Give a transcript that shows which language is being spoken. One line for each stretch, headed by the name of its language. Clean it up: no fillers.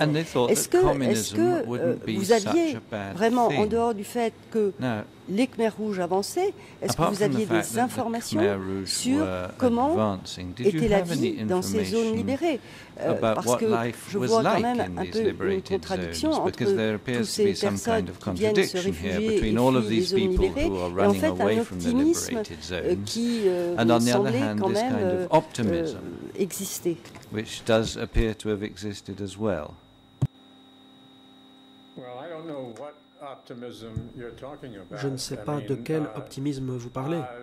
French: Est-ce que vous aviez vraiment, en dehors du fait que les Khmers rouges avançaient, est-ce que vous aviez des informations sur comment était la vie dans ces zones libérées? Parce que je vois quand même un peu une contradiction entre toutes ces personnes qui viennent se réfugier et fuient les zones libérées et en fait un optimisme qui semblait quand même exister.
English: Which does appear to have existed as well. Well, I don't know what optimism you're talking about.
French: Je ne sais pas de quel optimisme vous parlez.